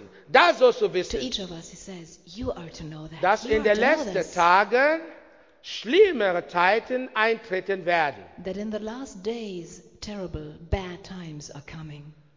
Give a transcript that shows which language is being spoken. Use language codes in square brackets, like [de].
[en] To each of us, he says, you are to know that. [de] Dass in den letzten Tagen schlimmere Zeiten eintreten werden. [en] That in the last days, terrible, bad times are coming.